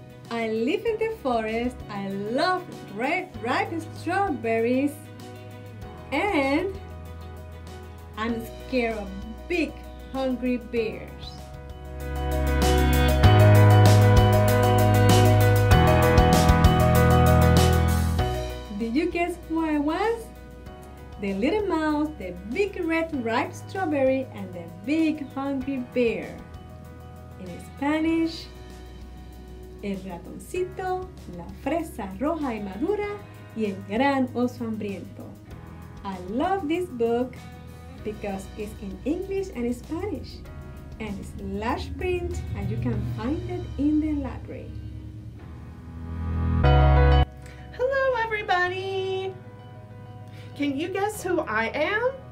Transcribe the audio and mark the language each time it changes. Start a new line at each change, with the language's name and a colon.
English: I live in the forest, I love red ripe strawberries, and I'm scared of big hungry bears. Did you guess who I was? The little mouse, the big red ripe strawberry, and the big hungry bear. In Spanish,
Spanish: el ratoncito, la fresa roja y madura, y el gran oso hambriento.
English: I love this book because it's in English and Spanish, and it's large print, and you can find it in the library. Hello, everybody. Can you guess who I am?